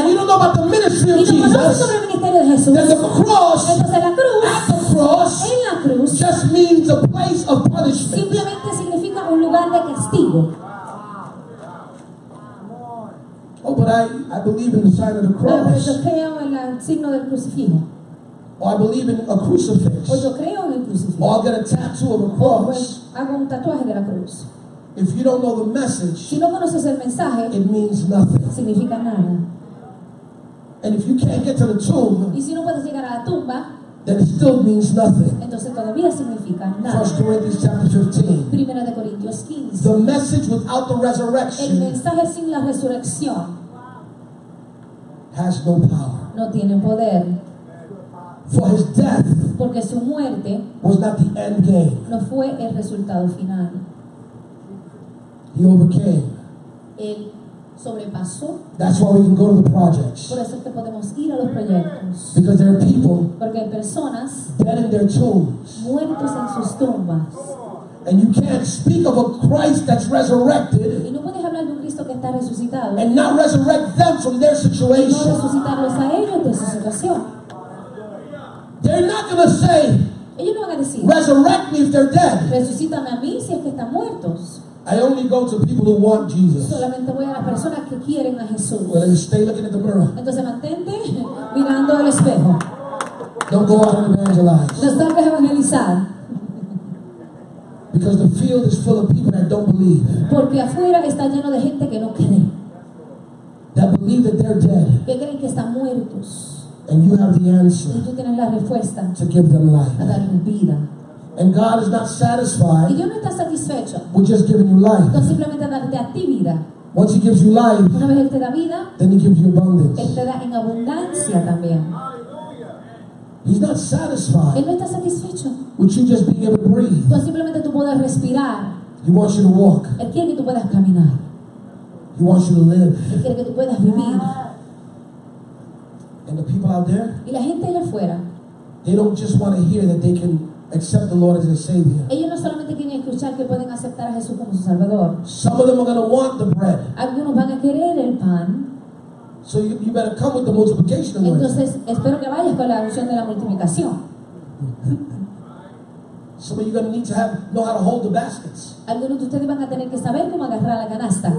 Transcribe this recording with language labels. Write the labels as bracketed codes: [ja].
[en] and you don't know about the ministry of Jesus, [es] sobre el ministerio de Jesús, [en] then the cross, [es] entonces la cruz, [en] at the cross, [es] en la cruz, [en] just means a place of punishment. [es] Simplemente significa un lugar de castigo. [en] Oh, but I believe in the sign of the cross. [es] Pero yo creo en el signo del crucifijo. [en] Or I believe in a crucifix. [es] O yo creo en el crucifijo. [en] Or I'll get a tattoo of a cross. [es] Pues hago un tatuaje de la cruz. [en] If you don't know the message, [es] si no conoces el mensaje, [en] it means nothing. [es] Significa nada. [en] And if you can't get to the tomb, [es] y si no puedes llegar a la tumba, [en] then it still means nothing. [es] Entonces todavía significa nada. [en] 1 Corinthians chapter 15. [es] Primera de Corintios 15. [en] The message without the resurrection, [es] el mensaje sin la resurrección, [en] has no power. [es] No tiene poder. [en] For his death, [es] porque su muerte, [en] was not the end game. [es] No fue el resultado final. [en] He overcame. [es] Él sobrepasó. [en] That's why we can go to the projects. [es] Por eso es que podemos ir a los proyectos. [en] Because there are people, [es] porque hay personas, [en] dead in their tombs, [es] muertos en sus tumbas. [en] And you can't speak of a Christ that's resurrected, [es] y no puedes hablar de un Cristo que está resucitado, [en] and not resurrect them from their situation. [es] Y no resucitarlos a ellos de su situación. [en] They're not going to say, [es] ellos no van a decir, [en] resurrect me if they're dead. [es] Resucítame a mí si es que están muertos. [en] I only go to people who want Jesus. [es] Solamente voy a las personas que quieren a Jesús. [en] Well, then stay looking at the mirror. [es] Entonces mantente mirando al espejo. [en] Don't go out and evangelize. [es] No salgas a evangelizar. [en] Because the field is full of people that don't believe. [es] Porque afuera está lleno de gente que no cree. [en] That believe that they're dead. [es] Que creen que están muertos. [en] And you have the answer. [es] Y tú tienes la respuesta. [en] To give them life. [es] A darle vida. [en] And God is not satisfied. [es] Y Dios no está satisfecho. [en] With just giving you life. [es] Con simplemente darte a ti vida. [en] Once he gives you life. [es] Una vez él te da vida. [en] Then he gives you abundance. [es] Él te da en abundancia también. [en] He's not satisfied. [es] Él no está satisfecho. [en] With you just being able to breathe. [es] Con simplemente tú puedas respirar. [en] He wants you to walk. [es] Él quiere que tú puedas caminar. [en] He wants you to live. [es] Él quiere que tú puedas vivir. [en] And the people out there, [es] y la gente allá afuera, [en] they don't just want to hear that they can accept the Lord as their Savior. [es] Ellos no solamente quieren escuchar que pueden aceptar a Jesús como su Salvador. [en] Some of them are going to want the bread. [es] Algunos van a querer el pan. [en] So you better come with the multiplication. [es] Entonces espero que vayas con la unción de la multiplicación. [en] Some of you are going to need to know how to hold the baskets. [es] Algunos de ustedes van a tener que saber cómo agarrar la canasta.